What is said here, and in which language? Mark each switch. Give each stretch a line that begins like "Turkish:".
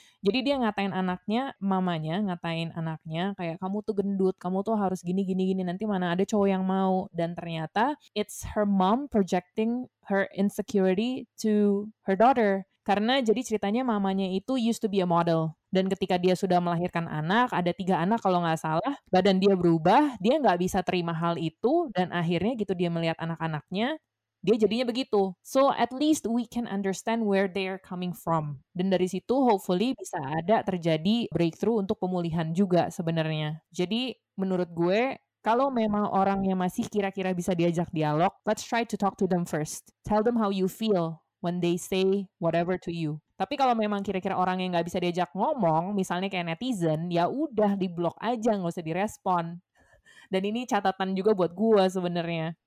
Indonesian: Jadi dia ngatain anaknya, mamanya ngatain anaknya kayak kamu tuh gendut, kamu tuh harus gini, nanti mana ada cowok yang mau. Dan ternyata
English: it's her mom projecting her insecurity to her daughter.
Indonesian: Karena jadi ceritanya mamanya itu
English: used to be a model.
Indonesian: Dan ketika dia sudah melahirkan anak, ada 3 anak kalau nggak salah, badan dia berubah, dia nggak bisa terima hal itu, dan akhirnya gitu dia melihat anak-anaknya, dia jadinya begitu.
English: So at least we can understand where they are coming from.
Indonesian: Dan dari situ hopefully bisa ada terjadi breakthrough untuk pemulihan juga sebenarnya. Jadi menurut gue, kalau memang orangnya masih kira-kira bisa diajak dialog,
English: let's try to talk to them first. Tell them how you feel when they say whatever to you.
Indonesian: Tapi kalau memang kira-kira orang yang nggak bisa diajak ngomong, misalnya kayak netizen, ya udah di-block aja, nggak usah direspon. Dan ini catatan juga buat gue sebenarnya.